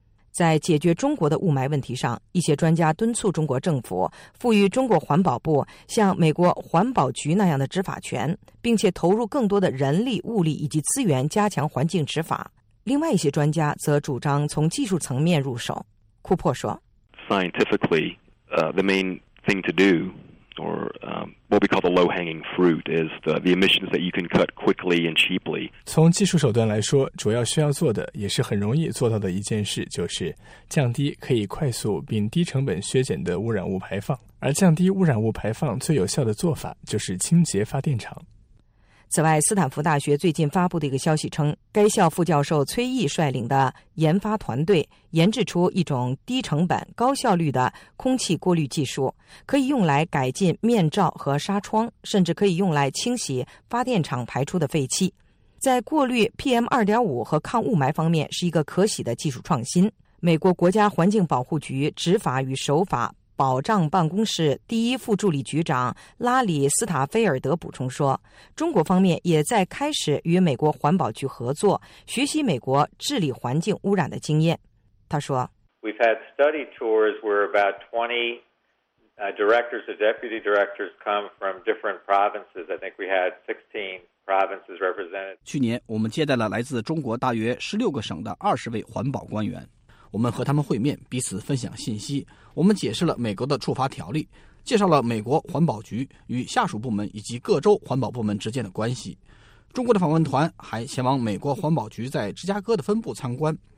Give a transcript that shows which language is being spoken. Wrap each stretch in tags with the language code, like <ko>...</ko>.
<zh>在解决中国的雾霾问题上，一些专家敦促中国政府赋予中国环保部像美国环保局那样的执法权，并且投入更多的人力、物力以及资源加强环境执法。另外一些专家则主张从技术层面入手。库珀说</zh> <en>Scientifically, the main thing to do,what we call the low-hanging fruit is the emissions that you can cut quickly and cheaply.</en> <zh>从技术手段来说，主要需要做的也是很容易做到的一件事，就是降低可以快速并低成本削减的污染物排放。而降低污染物排放最有效的做法就是清洁发电厂。此外，斯坦福大学最近发布的一个消息称，该校副教授崔毅率领的研发团队研制出一种低成本、高效率的空气过滤技术，可以用来改进面罩和纱窗，甚至可以用来清洗发电厂排出的废气。在过滤 PM2.5 和抗雾霾方面是一个可喜的技术创新。美国国家环境保护局执法与守法保障办公室第一副助理局长拉里·斯塔菲尔德补充说，中国方面也在开始与美国环保局合作，学习美国治理环境污染的经验。他说</zh> <en>We've had study tours where about 20 directors or deputy directors come from different provinces. I think we had 16 provinces represented.</en> <zh>去年我们接待了来自中国大约16个省的20位环保官员，我们和他们会面，彼此分享信息。我们解释了美国的处罚条例，介绍了美国环保局与下属部门以及各州环保部门之间的关系。中国的访问团还前往美国环保局在芝加哥的分部参观。</zh>